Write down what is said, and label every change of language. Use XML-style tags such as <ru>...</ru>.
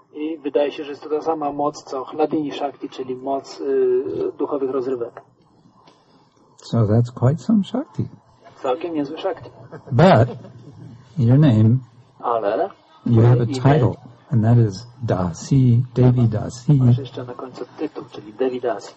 <pl>I wydaje się, że jest to ta sama moc, co Haladini Shakti, czyli moc duchowych rozrywek.</pl> <en>So that's quite some Shakti.</en> <pl>Całkiem niezły Shakti.</pl> <en>But your name,</en> <pl>ale</pl> <en>you have a title, and that is Dasi, Devi Dasi.</en> <pl>Masz jeszcze na końcu tytuł, czyli Devi Dasi.</pl>